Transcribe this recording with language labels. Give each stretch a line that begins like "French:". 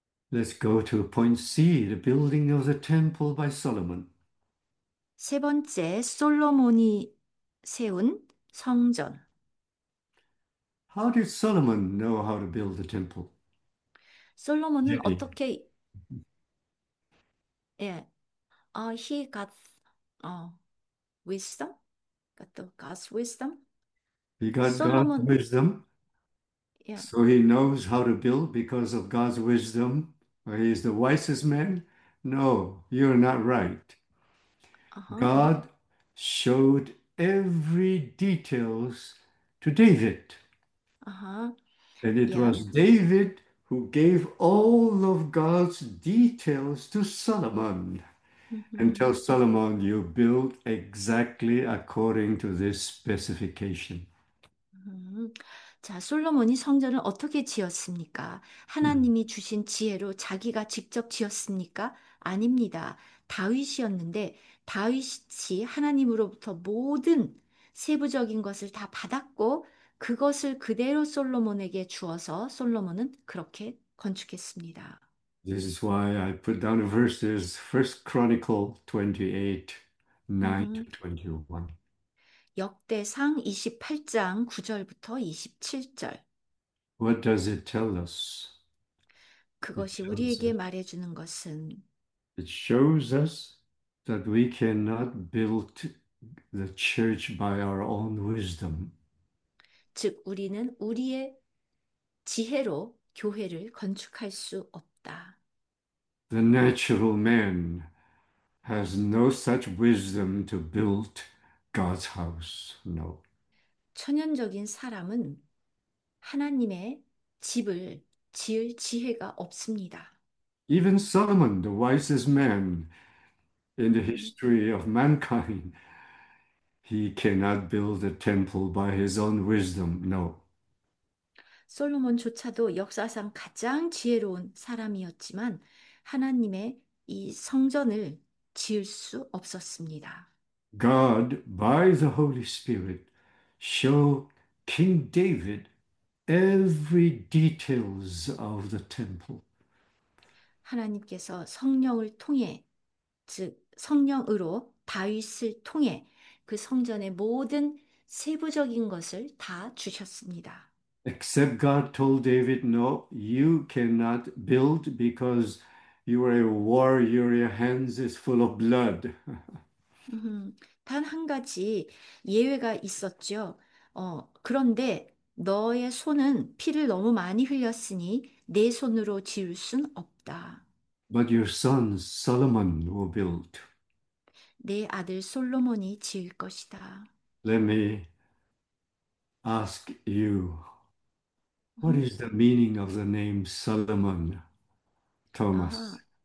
English: Let's go to point C, the building of the temple by Solomon.
Korean: 세 번째, 솔로몬이 세운 성전.
English: How did Solomon know how to build the temple?
Korean: 솔로몬은 Yay. 어떻게
English: he got wisdom, got the God's wisdom. He got God's Solomon, wisdom, so he knows how to build because of God's wisdom. He is the wisest man? No, you're not right. God showed every details to David. And it was David who gave all of God's details to Solomon and tell Solomon, you build exactly according to this specification.
Korean: 자, 솔로몬이 성전을 어떻게 지었습니까? 하나님이 주신 지혜로 자기가 직접 지었습니까? 아닙니다. 다윗이었는데, 다윗이 하나님으로부터 모든 세부적인 것을 다 받았고, 그것을 그대로 솔로몬에게 주어서 솔로몬은 그렇게 건축했습니다.
English: This is why I put down the verses 1 Chronicle 28, 9 to 21.
Korean: 역대상 28장 9절부터 27절.
English: What does it tell us?
Korean: 그것이
English: It
Korean: 우리에게 말해주는 것은
English: shows us that we cannot build the church by our own wisdom.
Korean: 즉, 우리는 우리의 지혜로 교회를 건축할 수 없다.
English: The natural man has no such wisdom to build God's house. No.
Korean: 천연적인 사람은 하나님의 집을 지을 지혜가 없습니다.
English: Even Solomon, the wisest man in the history of mankind, he cannot build a temple by his own wisdom, no.
Korean: 솔로몬조차도 역사상 가장 지혜로운 사람이었지만 하나님의 이 성전을 지을 수 없었습니다.
English: God, by the Holy Spirit, showed King David every details of the temple.
Korean: 하나님께서 성령을 통해, 즉 성령으로 다윗을 통해 그 성전의 모든 세부적인 것을 다 주셨습니다.
English: Except God told David, no, you cannot build because you are a warrior, your hands is full of blood.
Korean: 단한 가지 예외가 있었죠. 그런데 너의 손은 피를 너무 많이 흘렸으니 내 손으로 지을 순 없다.
English: But your son Solomon will build.
Korean: 내 아들 솔로몬이 지을 것이다.
English: Let me ask you, what is the meaning of the name Solomon, Thomas?